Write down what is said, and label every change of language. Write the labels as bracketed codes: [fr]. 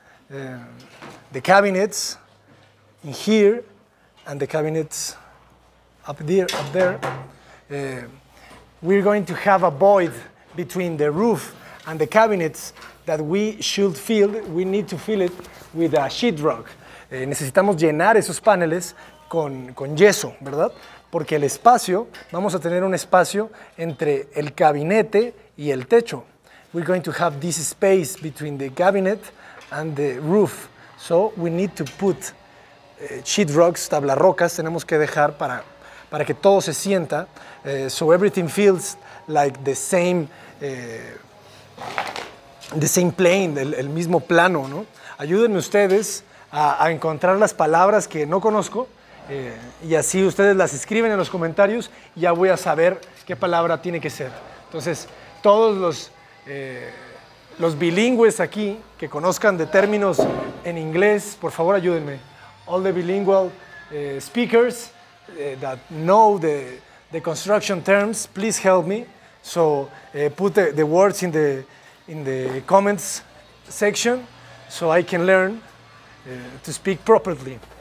[en] The cabinets in here, and the cabinets up there. We're going to have a void between the roof and the cabinets that we should fill. We need to fill it with a sheetrock. [es] Necesitamos llenar esos paneles con yeso, ¿verdad? Porque el espacio, vamos a tener un espacio entre el gabinete y el techo. [en] We're going to have this space between the cabinet and the roof. So we need to put sheet rocks, [es] tabla rocas, tenemos que dejar para que todo se sienta. [en] So everything feels like the same plane, [es] el mismo plano, [en] ¿no? [es] Ayúdenme ustedes a encontrar las palabras que no conozco y así ustedes las escriben en los comentarios y ya voy a saber qué palabra tiene que ser. Entonces, todos los bilingües aquí que conozcan de términos en inglés, por favor ayúdenme. [en] All the bilingual speakers that know the construction terms, please help me. So put the words in the comments section so I can learn to speak properly.